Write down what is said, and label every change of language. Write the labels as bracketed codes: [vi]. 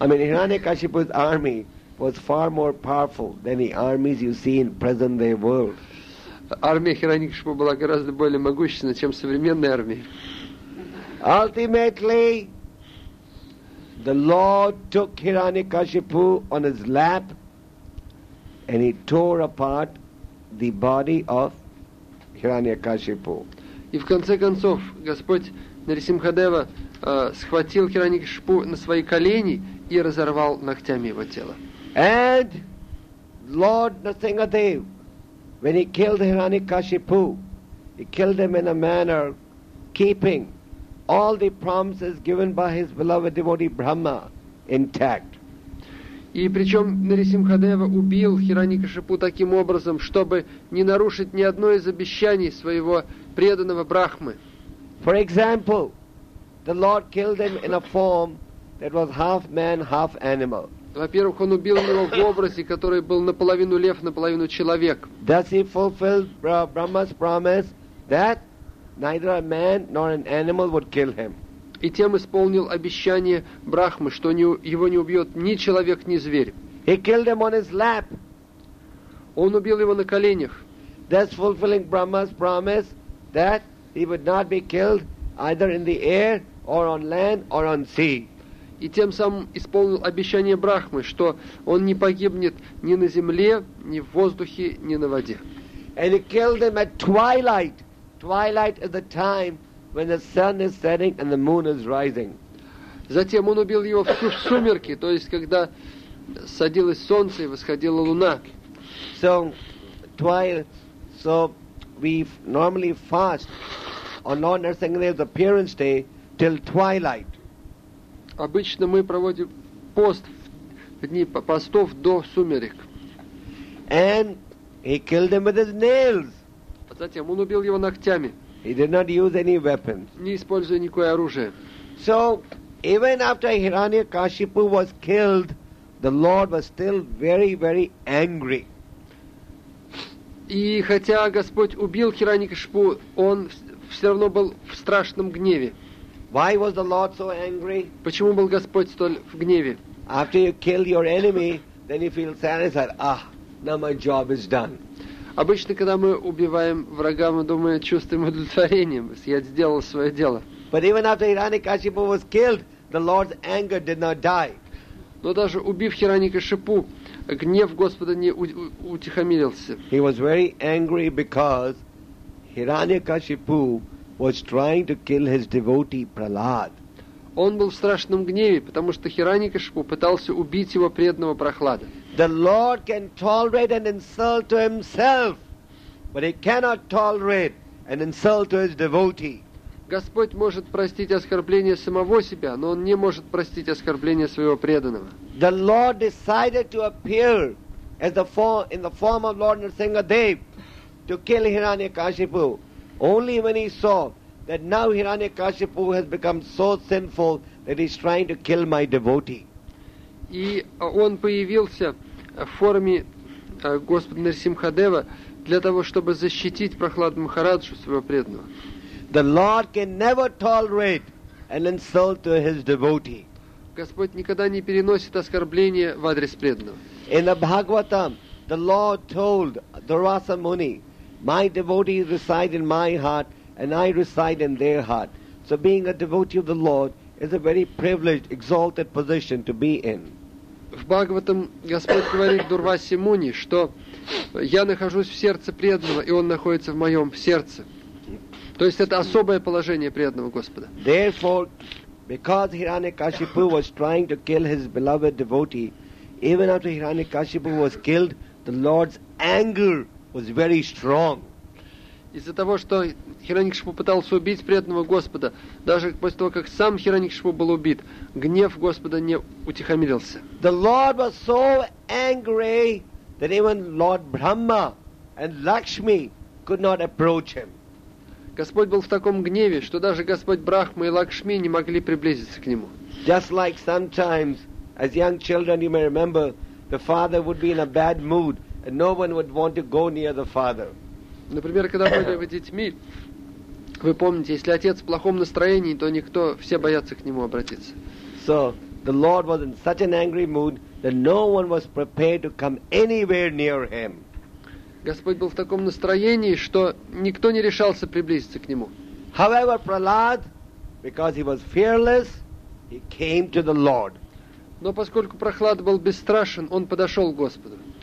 [en] I mean, Hiranyakashipu's army was far more powerful than the armies you see in present-day world. [ru] Армия Хираньякашипу была гораздо более могущественной, чем современная армия. [en] Ultimately, the Lord took Hiranyakashipu on his lap and he tore apart the body of Hiranyakashipu. [ru] И в конце концов Господь Нарисимхадева схватил Хираньякашипу на свои колени и разорвал ногтями его тело. [en] And Lord Narasimhadev, when he killed Hiranyakashipu, he killed him in a manner keeping all the promises given by his beloved devotee Brahma intact. [ru] И причем Нарисимхадева убил Хираньякашипу таким образом, чтобы не нарушить ни одно из обещаний своего преданного Брахмы. [en] For example, the Lord killed him in a form that was half man, half animal. [ru] Во-первых, он убил его в образе, который был наполовину лев, наполовину человек. [en] Thus he fulfilled Brahma's promise that neither a man nor an animal would kill him. [ru] И тем исполнил обещание Брахмы, что его не убьет ни человек, ни зверь. [en] He killed him on his lap. [ru] Он убил его на коленях. [en] Thus fulfilling Brahma's promise that he would not be killed either in the air or on land or on sea. [ru] И тем самым исполнил обещание Брахмы, что он не погибнет ни на земле, ни в воздухе, ни на воде. [en] And he killed him at twilight. Twilight is the time when the sun is setting and the moon is rising. [ru] Затем он убил его в сумерки, то есть когда садилось солнце и восходила луна. [en] So twilight. So we normally fast on Lord Narasimhadev's appearance day till twilight. [ru] Обычно мы проводим пост в дни постов до сумерек. [en] And he killed him with his nails. [ru] Затем он убил его ногтями. [en] He did not use any weapons. [ru] Не используя никакое оружие. [en] So even after Hiranyakashipu was killed, the Lord was still very, very angry. [ru] И хотя Господь убил Хираньякашипу, он все равно был в страшном гневе. [en] Why was the Lord so angry? [ru] Почему был Господь столь в гневе? [en] After you kill your enemy, then you feel satisfied. Ah, now my job is done. [ru] Обычно, когда мы убиваем врага, мы думаем, чувствуем удовлетворение. Я сделал свое дело. [en] But even after Hiranyakashipu was killed, the Lord's anger did not die. [ru] Но даже убив Хираньякашипу, гнев Господа не утихомирился. [en] He was very angry because Hiranyakashipu was trying to kill his devotee Prahlad. [ru] Он был в страшном гневе, потому что Хираньякашипу пытался убить его преданного Прохлада. [en] The Lord can tolerate an insult to himself, but he cannot tolerate an insult to his devotee. [ru] Господь может простить оскорбление самого себя, но он не может простить оскорбление своего преданного. [en] The Lord decided to appear as the form, in the form of Lord Narasimhadev to kill Hiranyakashipu. Only when he saw that now Hiranyakashipu has become so sinful that he's trying to kill my devotee. [ru] И он появился в форме Господа Нарисимхадева для того, чтобы защитить Прохлада Махараджу, своего преданного. [en] The Lord can never tolerate an insult to his devotee. [ru] Господь никогда не переносит оскорбления в адрес преданного. [en] In the Bhagavatam, the Lord told Durvasa Muni, my devotees reside in my heart and I reside in their heart. So being a devotee of the Lord is a very privileged, exalted position to be in. [ru] В Бхагаватам Господь говорит Дурвасе Муни, что я нахожусь в сердце преданного, и он находится в моем сердце. То есть это особое положение преданного Господа. [en] Therefore, Because Hiranyakashipu was trying to kill his beloved devotee, even after Hiranyakashipu was killed, the Lord's anger was very strong. [ru] Из-за того, что Хираньякшипу пытался убить преданного Господа, даже после того, как сам Хираньякшипу был убит, гнев Господа не утихомирился. [en] The Lord was so angry that even Lord Brahma and Lakshmi could not approach him. [ru] Господь был в таком гневе, что даже Господь Брахма и Лакшми не могли приблизиться к нему. [en] Just like sometimes, as young children, you may remember, the father would be in a bad mood, and no one would want to go near the father. [ru] Например, когда были вы детьми, вы помните, если отец в плохом настроении, то никто, все боятся к нему обратиться. [en] So the Lord was in such an angry mood that no one was prepared to come anywhere near him. [ru] Господь был в таком настроении, что никто не решался приблизиться к нему. [en] However, Prahlad, because he was fearless, he came to the Lord. [ru] Но поскольку Прохлад был бесстрашен, он подошел к Господу.